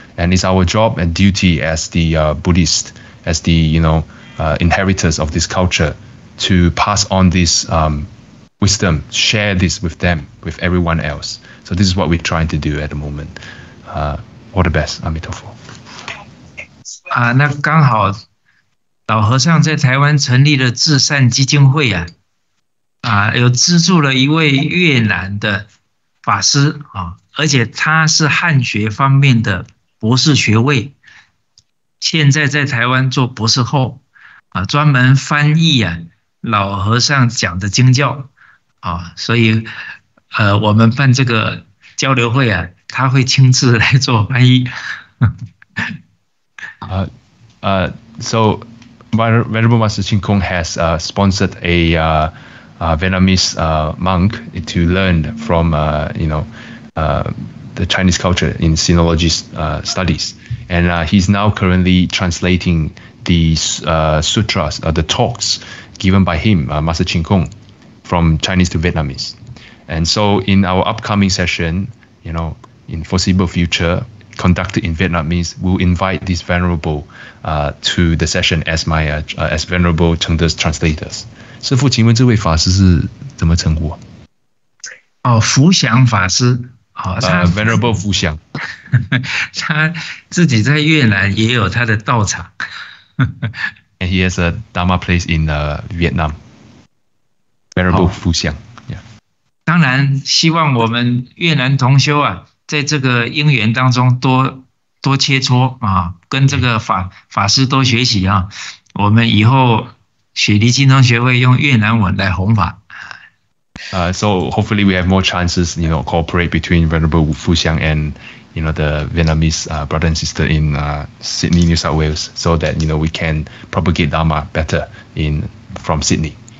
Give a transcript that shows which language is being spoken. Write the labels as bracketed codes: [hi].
[en] And it's our job and duty as the Buddhist, as the, you know, inheritors of this culture to pass on this wisdom, share this with them, with everyone else. So this is what we're trying to do at the moment. All the best, Amitabha. [zh] 那刚好老和尚在台湾成立了至善基金会啊，有资助了一位越南的法师啊，而且他是汉学方面的博士学位，现在在台湾做博士后啊，专门翻译啊老和尚讲的经教啊，所以我们办这个交流会啊，他会亲自来做翻译。 [en] So Venerable Master Ching Kong has sponsored a Vietnamese monk to learn from the Chinese culture in sinology studies, and he's now currently translating the sutras, the talks given by him, Master Ching Kong, from Chinese to Vietnamese. And so in our upcoming session, you know, in foreseeable future, conducted in Vietnamese, will invite this venerable to the session as my as venerable Chengde's translators. [zh] 师父，请问这位法师是怎么称呼啊？哦，福祥法师，哦， [en] Venerable 福祥， [zh] 他自己在越南也有他的道场。 [en] And he has a Dharma place in Vietnam. Venerable 福祥，yeah. [zh] 当然，希望我们越南同修啊，在这个因缘当中多多切磋啊，跟这个法师多学习啊，我们以后雪梨淨宗學會用越南文来弘法。 [en] So hopefully we have more chances, you know, cooperate between Venerable Fu Xiang and, you know, the Vietnamese brother and sister in Sydney, New South Wales, so that, you know, we can propagate Dharma better in from Sydney.